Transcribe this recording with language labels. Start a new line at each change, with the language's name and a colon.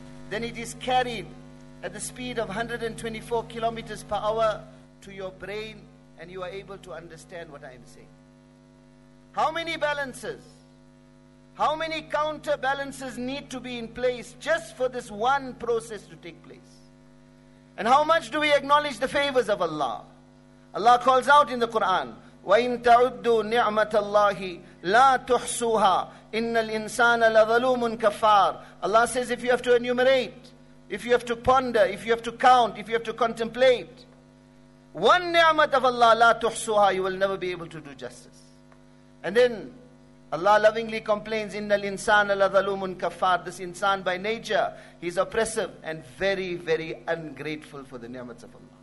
English: Then it is carried at the speed of 124 kilometers per hour to your brain, and you are able to understand what I am saying. How many balances, how many counterbalances need to be in place just for this one process to take place? And how much do we acknowledge the favors of Allah? Allah calls out in the Quran,
Arabic: وَإِن تَعُدُّوا نِعْمَةَ اللَّهِ لَا تُحْصُوهَا إِنَّ الْإِنسَانَ لَظَلُومٌ كَفَّارٌ.
English: Allah says, if you have to enumerate, if you have to ponder, if you have to count, if you have to contemplate, one ni'mat of Allah,
Arabic: لا تُحْصُوهَا,
English: you will never be able to do justice. And then Allah lovingly complains,
Arabic: إِنَّ الْإِنسَانَ لَظَلُومٌ كَفَّارٌ.
English: This insan by nature, he's oppressive and very, very ungrateful for the ni'mats of Allah.